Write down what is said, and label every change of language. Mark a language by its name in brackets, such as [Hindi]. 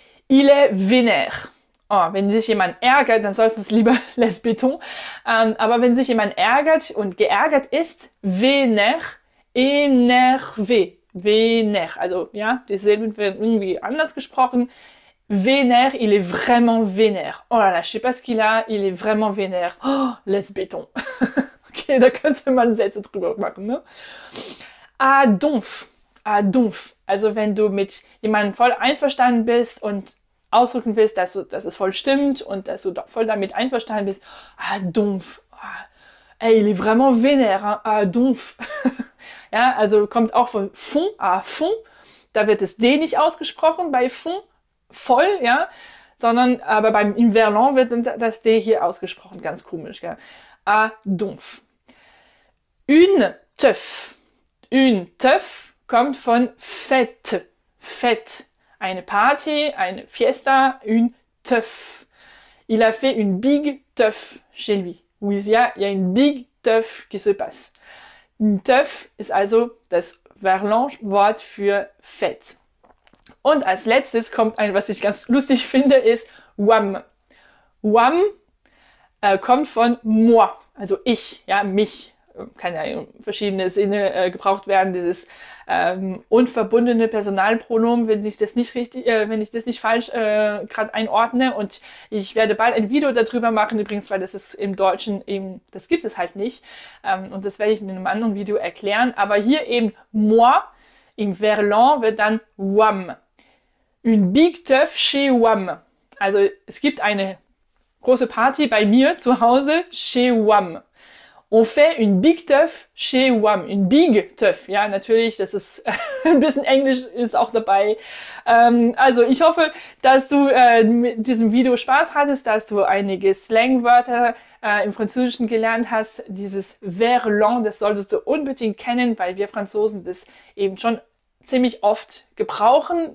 [French] Il est vénère. [German] Oh, wenn sich jemand ärgert, dann sollst du es lieber [French] laisse béton. [German] Aber wenn sich jemand ärgert und geärgert ist, [French] vénère, énervé. Vénère. [German] Also, ja, die Silben werden irgendwie anders gesprochen. [French] Vénère, il est vraiment vénère. Oh là là, je sais pas ce qu'il a, il est vraiment vénère. Oh, laisse béton. [German] Okay, da könnte man Sätze drüber machen, ne? Ah, dumpf. Ah, dumpf. Also, wenn du mit jemandem voll einverstanden bist und ausdrücken willst, dass es voll stimmt und dass du voll damit einverstanden bist. Ah, dumpf. Ah. [French] Ey, il est vraiment vénère. Hein? Ah, dumpf. [German] Ja, also kommt auch von fond. Ah, fond. Da wird das D nicht ausgesprochen bei fond. Voll, ja. Sondern, aber im Verlan wird das D hier ausgesprochen. Ganz komisch, gell? Ah, dumpf. [French] Une teuf. Une teuf [German] kommt von fête. Fête. Eine Party, eine Fiesta. [French] Une teuf. Il a fait une big teuf chez lui. Oui, il y a une big teuf qui se passe. [German] Une teuf ist also das Verlan-Wort für fête. Und als letztes kommt ein, was ich ganz lustig finde, ist wham. Wham kommt von moi. Also ich, ja, mich, kann ja in verschiedene Sinne gebraucht werden, dieses unverbundene Personalpronomen, wenn ich das nicht richtig, wenn ich das nicht falsch gerade einordne. Und ich werde bald ein Video darüber machen, übrigens, weil das ist im Deutschen eben, das gibt es halt nicht. Und das werde ich in einem anderen Video erklären. Aber hier eben moi Im Verlan wird dann Wham. [French] Une big teuf chez Wham. [German] Also es gibt eine große Party bei mir zu Hause chez Wham. [French] On fait une big teuf chez Wham. Une big teuf. [German] Ja, natürlich, das ist ein bisschen Englisch ist auch dabei. Also ich hoffe, dass du mit diesem Video Spaß hattest, dass du einige Slangwörter im Französischen gelernt hast. Dieses Verlan, das solltest du unbedingt kennen, weil wir Franzosen das eben schon ziemlich oft gebrauchen.